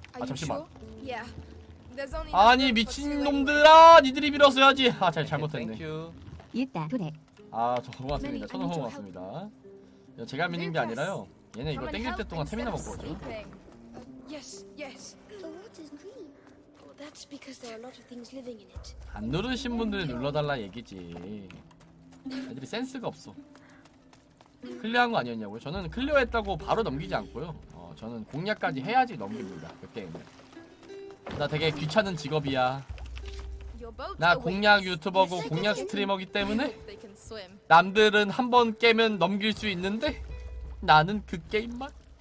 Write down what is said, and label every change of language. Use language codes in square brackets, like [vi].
[ko] 아 잠시만. [en] Yeah. [ko] 아니 미친 놈들아, 니들이 밀었어야지. 아 잘 잘못했네. [en] Thank you. [ko] 아, 저 보고 왔습니다. 저도 보고 왔습니다. 제가 믿는 게 아니라요. 얘네 이거 땡길 때 동안 태미나 먹고 오죠. [en] Yes, yes. The water's green. That's because there are a lot of things living in it. [ko] 안 누르신 분들이 눌러달라 얘기지. 애들이 센스가 없어. 클리어한 거 아니었냐고요? 저는 클리어했다고 바로 넘기지 않고요. 저는 공략까지 해야지 넘깁니다. 그 게임을. 나 되게 귀찮은 직업이야. 나 공략 유튜버고 공략 스트리머기 때문에 남들은 한 번 깨면 넘길 수 있는데 나는 그 게임만.